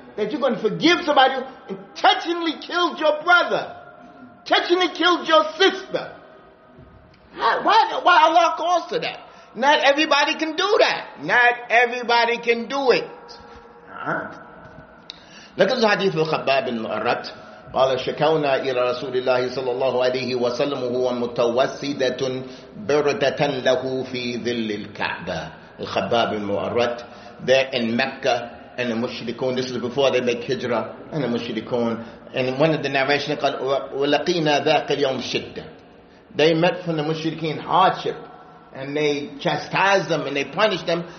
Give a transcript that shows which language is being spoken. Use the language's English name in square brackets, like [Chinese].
[English] That you're going to forgive somebody who intentionally killed your brother, intentionally killed your sister? Why Allah calls to that? Not everybody can do that. Not everybody can do it. Look at the hadith of Khabbab bin Arat. [Arabic] قال شكونا إلى رسول الله صلى الله عليه وسلم وهو متوسدة بردة له في ظل الكعبة. [English] الخباب المؤرد, they're in Mecca and the Mushrikun, this is before they make Hijra and the Mushrikun, and one of the narration [Arabic] قال ولقينا ذاك اليوم شدة, [English] they met from the mushrikeen hardship, and they chastised them and they punished them.